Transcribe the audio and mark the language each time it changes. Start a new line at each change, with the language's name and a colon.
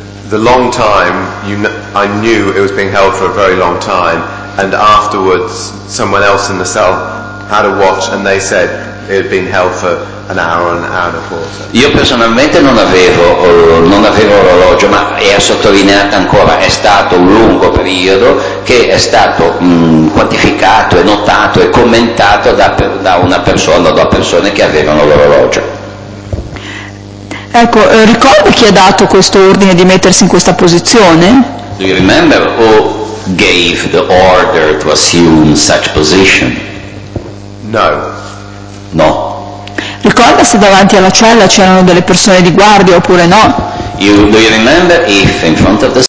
English: The long time, I knew it was being held for a very long time, and afterwards someone else in the cell had a watch and they said it had been held for an hour and a quarter.
Italian: Io personalmente non avevo orologio, ma è sottolineato ancora, è stato un lungo periodo che è stato quantificato e notato e commentato da una persona o da persone che avevano l'orologio. Ecco, ricordi chi ha dato questo ordine di mettersi in questa posizione?
English: Do you remember who gave the order to assume such position? No.
Italian: No. Ricorda se davanti alla cella c'erano delle persone di guardia oppure no?
English: Do you remember if in front of the